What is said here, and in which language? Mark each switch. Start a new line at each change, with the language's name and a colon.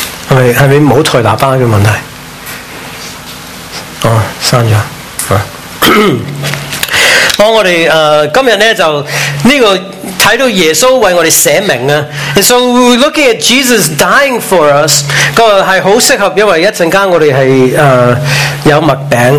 Chinese: 是不是没有台喇叭的问题？哦，删了。好，我们今天呢就这个看到耶稣为我们舍命啊。
English: And so we're looking at Jesus dying for us.
Chinese: 那是很适合，因为一阵间我们是有麦饼。